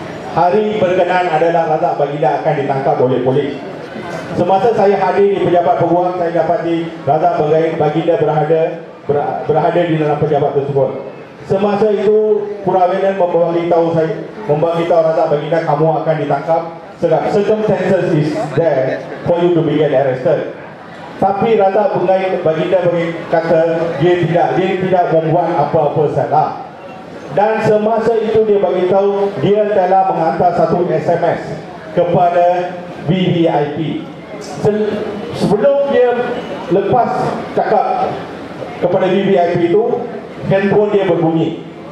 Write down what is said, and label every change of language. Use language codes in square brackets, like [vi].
[ms] Hari berkenaan adalah Razak Baginda akan ditangkap oleh polis. Semasa saya hadir di pejabat peguam, saya dapati Razak Baginda berada di dalam pejabat tersebut. Semasa itu Pura Welen memberitahu Razak Baginda, kamu akan ditangkap. [en] Sebab circumstances is there for you to be get arrested. [ms] Tapi Razak Baginda berkata dia tidak membuat apa-apa salah. Dan semasa itu dia beritahu dia telah menghantar satu SMS kepada VVIP. Sebelum dia lepas cakap kepada VVIP itu, handphone dia berbunyi.